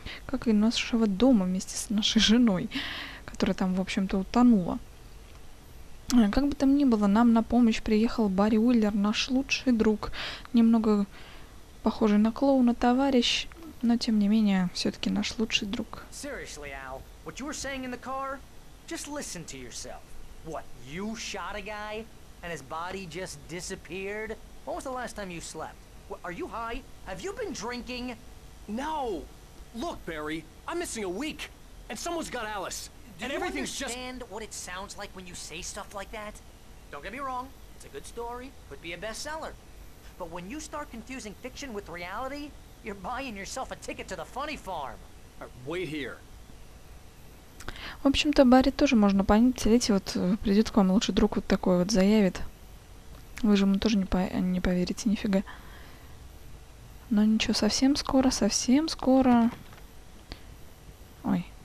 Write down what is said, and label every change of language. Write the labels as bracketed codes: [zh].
[ru] Как и нашего дома вместе с нашей женой, которая там, в общем-то, утонула. Как бы там ни было, нам на помощь приехал Барри Уиллер, наш лучший друг, немного похожий на клоуна товарищ, но тем не менее, все-таки наш лучший друг. [en] Seriously, Al, what you were saying in the car? Just listen to yourself. What, you shot a guy, and his body just disappeared? When was the last time you slept? Are you high? Have you been drinking? No! Look, Barry, I'm missing a week, and someone's got Alice. And everything's just... Do you understand what it sounds like when you say stuff like that? Don't get me wrong, it's a good story, could be a bestseller. But when you start confusing fiction with reality, you're buying yourself a ticket to the funny farm. Wait here. [ru] В общем-то, Барри тоже можно понять. Смотрите, вот придет к вам лучший друг, вот такой вот заявит. Вы же ему тоже не поверите, нифига. Но ничего, совсем скоро... Ой.